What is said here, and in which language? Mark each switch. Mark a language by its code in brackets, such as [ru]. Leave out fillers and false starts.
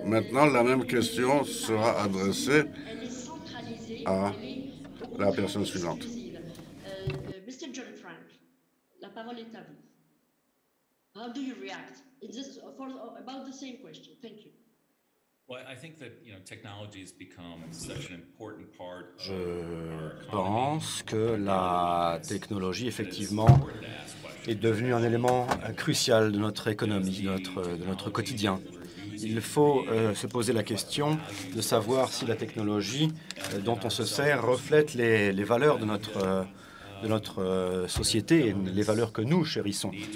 [fr] Maintenant, la même question sera adressée à la personne suivante. [en] Mr. [fr] John Frank, la parole est à vous. [en] How do you react? Is this for about the same question? Thank you. Well, I think that, you know, technology has become such an important part of our economy. [fr] Je pense que la technologie, effectivement, est devenue un élément crucial de notre économie, de notre quotidien. Il faut se poser la question de savoir si la technologie dont on se sert reflète les valeurs de notre société et les valeurs que nous chérissons.